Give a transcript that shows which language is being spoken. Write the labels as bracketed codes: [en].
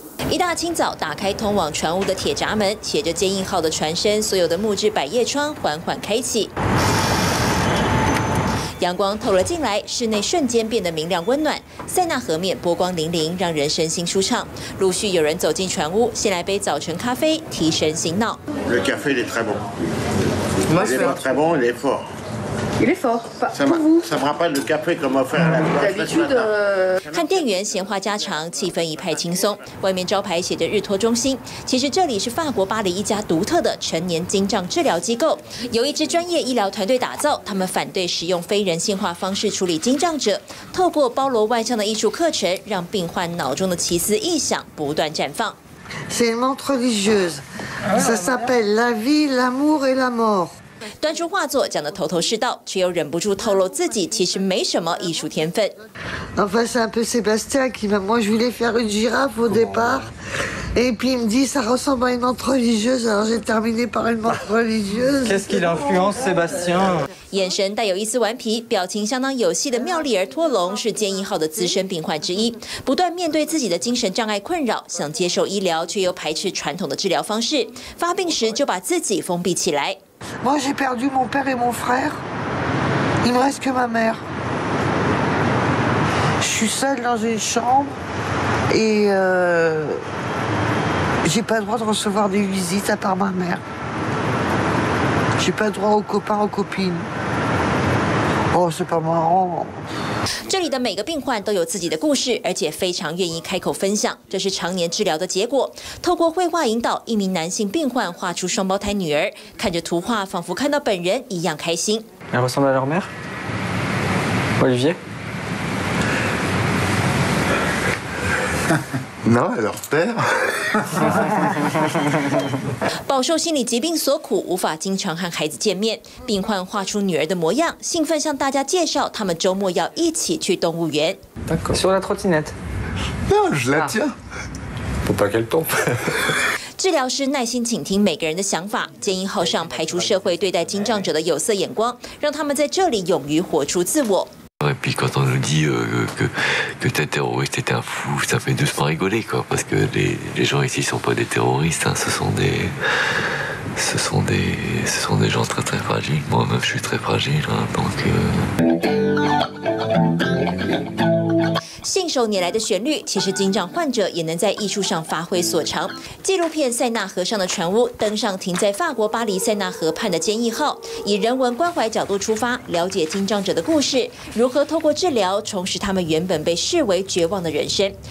[zh] 一大清早打开通往船屋的铁闸门，写着坚毅号的船身所有的木质百叶窗缓缓开启，阳光透了进来，室内瞬间变得明亮温暖，塞纳河面波光粼粼，让人身心舒畅。陆续有人走进船屋，先来杯早晨咖啡提神醒脑。 [fr] Le café est très bon. Il est pas très bon, il est fort. Il est fort, pour vous. Ça me rappelle le café comme offert à la d'habitude. [zh] 看店员闲话家常，气氛一派轻松。外面招牌写着日托中心，其实这里是法国巴黎一家独特的成年精障治疗机构，由一支专业医疗团队打造。他们反对使用非人性化方式处理精障者，透过包罗万象的艺术课程，让病患脑中的奇思异想不断绽放。 [fr] C'est une montre religieuse. Ça s'appelle la vie, l'amour et la mort. [zh] 端出画作讲得头头是道，却又忍不住透露自己其实没什么艺术天分。 [fr] Enfin, c'est un peu Sébastien qui m'a moi je voulais faire une girafe au départ, et puis il me dit ça ressemble à une montre religieuse, alors j'ai terminé par une montre religieuse. Qu'est-ce qui l'influence, Sébastien？ [zh] 眼神带有一丝顽皮，表情相当有戏的妙丽儿托龙是建议号的资深病患之一，不断面对自己的精神障碍困扰，想接受医疗却又排斥传统的治疗方式，发病时就把自己封闭起来。 [fr] Moi, j'ai perdu mon père et mon frère. Il me reste que ma mère. Je suis seule dans une chambre et j'ai pas le droit de recevoir des visites à part ma mère. J'ai pas le droit aux copains, aux copines. Oh, c'est pas marrant. [zh] 这里的每个病患都有自己的故事，而且非常愿意开口分享，这是常年治疗的结果。透过绘画引导，一名男性病患画出双胞胎女儿，看着图画仿佛看到本人一样开心。 [fr] Elle ressemble à leur mère, Olivier? Non, à leur père. [zh] 饱受心理疾病所苦，无法经常和孩子见面。病患画出女儿的模样，兴奋向大家介绍，他们周末要一起去动物园。 [fr] Sur la trottinette. Non, je la tiens. Pour pas qu'elle tombe. [zh] 治疗师耐心倾听每个人的想法，建议号上排除社会对待精障者的有色眼光，让他们在这里勇于活出自我。 [fr] Et puis quand on nous dit que t'es terroriste, t'es un fou, ça fait doucement rigoler, quoi, parce que les gens ici sont pas des terroristes, hein, ce sont des gens très très fragiles. Moi-même, je suis très fragile, hein, donc. [zh] 信手拈来的旋律，其实精障患者也能在艺术上发挥所长。纪录片《塞纳河上的船屋》登上停在法国巴黎塞纳河畔的坚毅号，以人文关怀角度出发，了解精障者的故事，如何透过治疗重拾他们原本被视为绝望的人生。